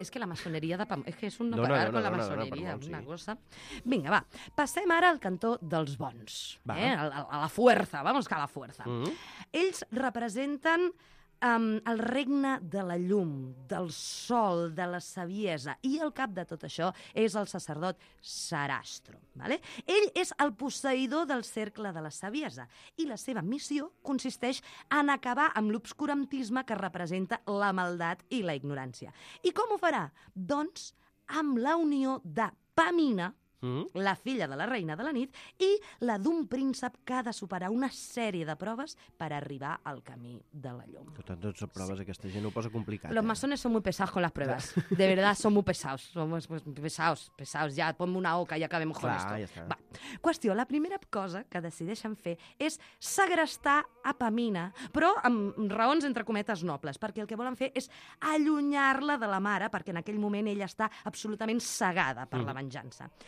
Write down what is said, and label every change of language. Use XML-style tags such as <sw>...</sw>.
<ca>És que la maçoneria de Pamplona... És que és un no parar amb la maçoneria, una cosa. Vinga, va, passem ara al cantó dels bons. Va.</ca> <es>A la fuerza, vamos que a la fuerza.</es> <ca>Ells representen el regne de la llum, del sol, de la saviesa, i al cap de tot això és el sacerdot Sarastro. ¿Vale? Ell és el posseïdor del cercle de la saviesa i la seva missió consisteix en acabar amb l'obscurantisme que representa la maldat i la ignorància. I com ho farà? Doncs amb la unió de Pamina, la filla de la reina de la nit, i la d'un príncep que ha de superar una sèrie de proves per arribar al camí de la llum. Per tant, totes les proves, sí. Aquesta gent ho posa complicat.</ca> <es>Los masones son muy pesados con las pruebas. De verdad, son muy pesados. Somos pesados. Ya, ponme una oca y acabemos con esto.</es> <ca>Ja està. Va. Qüestió, la primera cosa que decideixen fer és segrestar a Pamina, però amb raons entre cometes nobles, perquè el que volen fer és allunyar-la de la mare, perquè en aquell moment ella està absolutament cegada per la venjança.</ca>